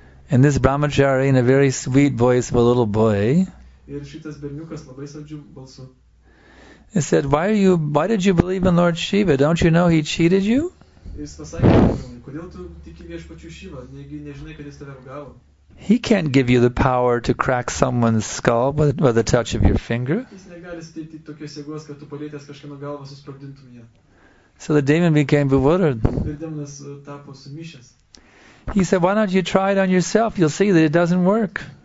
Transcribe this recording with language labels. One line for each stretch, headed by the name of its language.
English: And this Brahmachari, in a very sweet voice of a little boy,
Lithuanian: ir šitas berniukas labai saldžiu balsu.
English: He said, why did you believe in Lord Shiva? Don't you know he cheated you?
Lithuanian: Jis pasakė, kodėl tu tiki viešpačiu Shiva? Nežinai, kad jis tave apgavo.
English: He can't give you the power to crack someone's skull with the touch of your finger.
Lithuanian: Jis negali suteikti tokios jėgos, kad tu palietęs kažkieno galvą susprogdintum ją.
English: So the demon became bewildered.
Lithuanian: Ir demonas tapo sumišęs.
English: He said, why don't you try it on yourself? You'll see that it doesn't work.